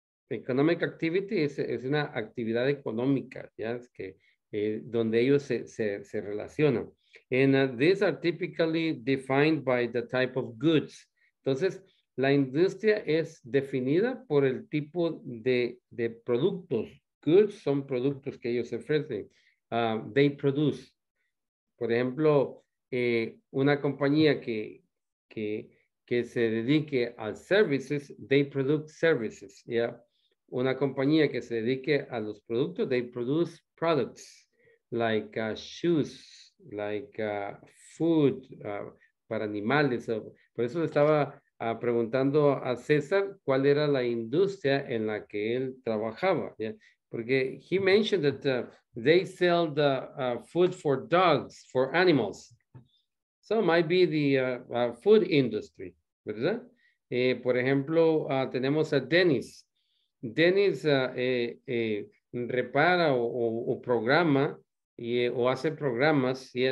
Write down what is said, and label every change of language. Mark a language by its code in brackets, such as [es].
[en] Economic activity [es] es una actividad económica, ya es que donde ellos se relacionan. [en] And these are typically defined by the type of goods. [es] Entonces, la industria es definida por el tipo de productos. Goods son productos que ellos ofrecen. [en] They produce. [es] Por ejemplo, una compañía que se dedique a services, [en] they produce services. Yeah? [es] Una compañía que se dedique a los productos, [en] they produce products like shoes, like food [es] para animales. Por eso estaba preguntando a César cuál era la industria en la que él trabajaba, [en] yeah? [es] Porque [en] he mentioned that they sell the food for dogs, for animals. So it might be the food industry, [es] ¿verdad? Por ejemplo, tenemos a Dennis. Dennis repara o programa y, o hace programas, [en] yeah?